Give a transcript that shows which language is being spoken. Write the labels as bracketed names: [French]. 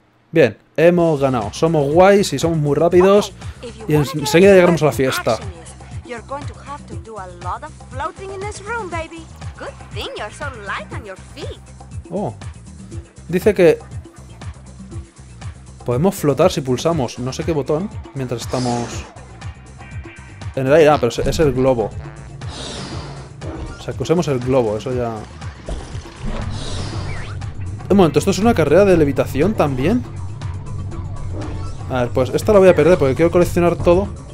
[Spanish] Bien, hemos ganado. Somos guays y somos muy rápidos. Y enseguida llegamos a la fiesta. [English] You're going to have to do a lot of floating in this room, baby. Good thing you're so light on your feet. [Spanish] Oh. Dice que... Podemos flotar si pulsamos no sé qué botón mientras estamos... En el aire, pero es el globo. O sea, que usemos el globo, eso ya... Un momento, ¿esto es una carrera de levitación también? A ver, pues esta la voy a perder porque quiero coleccionar todo.